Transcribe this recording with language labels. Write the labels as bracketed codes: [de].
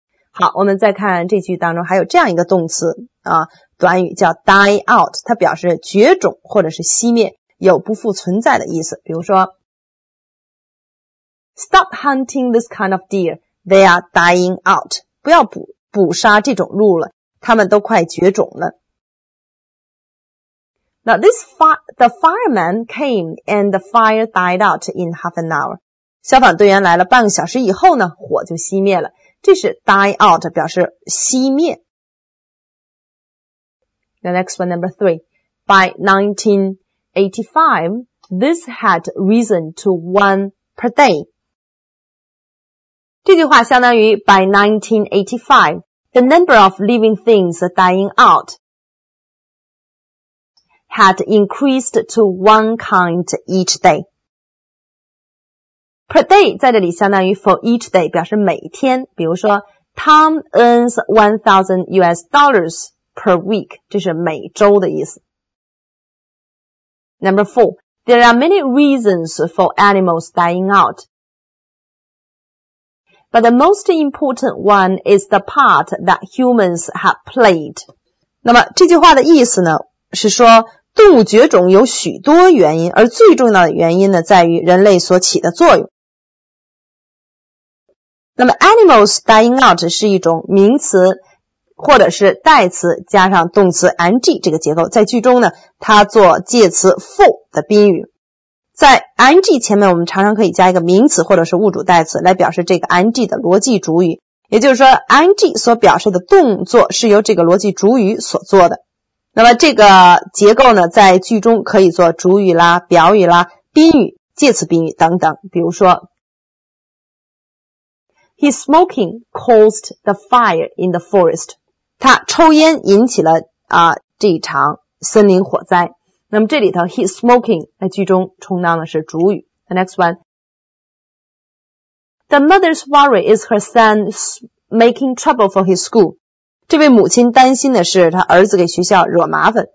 [zh] 好，我们再看这句当中还有这样一个动词啊，短语叫 die out， 它表示绝种或者是熄灭，有不复存在的意思。比如说 Stop hunting this kind of deer. They are dying out. 不要 捕杀这种鹿了，它们都快绝种了。 [en] Now this the fireman came and the fire died out in half an hour. [zh] 消防队员来了半个小时以后呢，火就熄灭了。这是 die out， 表示熄灭。 [en] The next one, number three. By 1985, this had risen to one per day. 这句话相当于 by 1985, the number of living things dying out had increased to one kind each day. [zh] Per day 在这里相当于 for each day， 表示每天。比如说 Tom earns $1,000 per week，这是每周的意思。 [en] Number four, there are many reasons for animals dying out. But the most important one is the part that humans have played. [zh] 那么这句话的意思呢，是说动物绝种有许多原因，而最重要的原因呢，在于人类所起的作用。那么 animals dying out 是一种名词或者是代词加上动词 ing 这个结构，在句中呢，它做介词 for 的宾语。在 ing 前面我们常常可以加一个名词或者是物主代词来表示这个 ing 的逻辑主语，也就是说 ing 所表示的动作是由这个逻辑主语所做的。那么这个结构呢，在句中可以做主语啦、表语啦、宾语、介词宾语等等。 [en] 比如说 His smoking caused the fire in the forest. [zh] 他抽烟引起了这一场森林火灾。那么这里头 his smoking 在句中充当的是主语。 The next one. [en] The mother's worry is her son making trouble for his school. [zh] 这位母亲担心的是他儿子给学校惹麻烦。